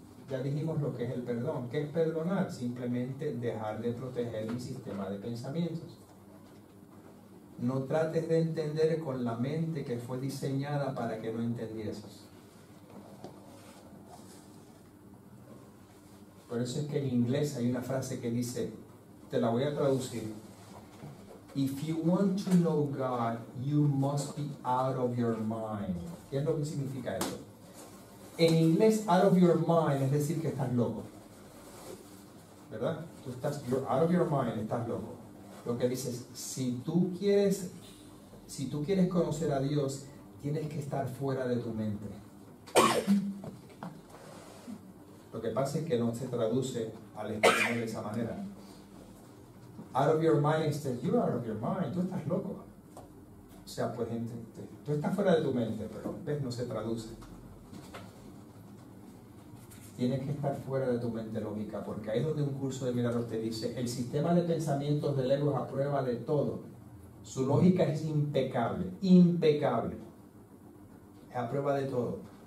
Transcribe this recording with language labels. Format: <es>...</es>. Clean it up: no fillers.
<es>Ya dijimos lo que es el perdón. ¿Qué es perdonar? Simplemente dejar de proteger mi sistema de pensamientos. No trates de entender con la mente que fue diseñada para que no entendieses. Por eso es que en inglés hay una frase que dice, te la voy a traducir.</es> <en>If you want to know God, you must be out of your mind.</en> <es>¿Qué es lo que significa eso? En inglés,</es> <en>out of your mind,</en> <es>es decir que estás loco. ¿Verdad? Tú estás,</es> <en>you're out of your mind,</en> <es>estás loco. Lo que dices, si tú quieres conocer a Dios, tienes que estar fuera de tu mente. Lo que pasa es que no se traduce al español de esa manera.</es> <en>Out of your mind, says, you are out of your mind,</en> <es>tú estás loco. O sea, pues gente, tú estás fuera de tu mente, pero ves, no se traduce. Tienes que estar fuera de tu mente lógica, porque ahí es donde un curso de milagros te dice, el sistema de pensamientos del ego es a prueba de todo. Su lógica es impecable, impecable. Es a prueba de todo.</es>